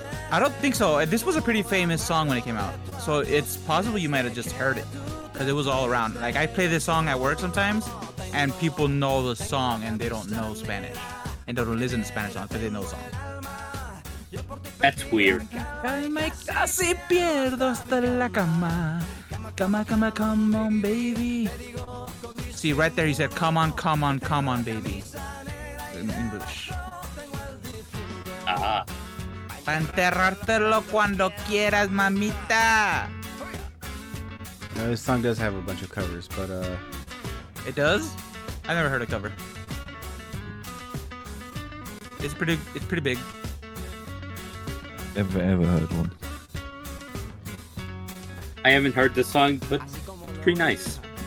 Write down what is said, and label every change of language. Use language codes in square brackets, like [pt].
[en] I don't think so. This was a pretty famous song when it came out. So it's possible you might have just heard it. Because it was all around. Like, I play this song at work sometimes, and people know the song and they don't know Spanish. And they don't listen to Spanish songs, but they know the song. That's weird. [es] Calma, casi pierdo hasta la cama. [en] Come on, come on, come on, baby. See, right there he said, come on, come on, come on, baby. In English. Ah. [es] Pa enterrártelo cuando quieras, mamita. [en] Now, this song does have a bunch of covers, but it does? I never heard a cover. It's pretty big. Ever heard one. I haven't heard this song, but it's pretty nice.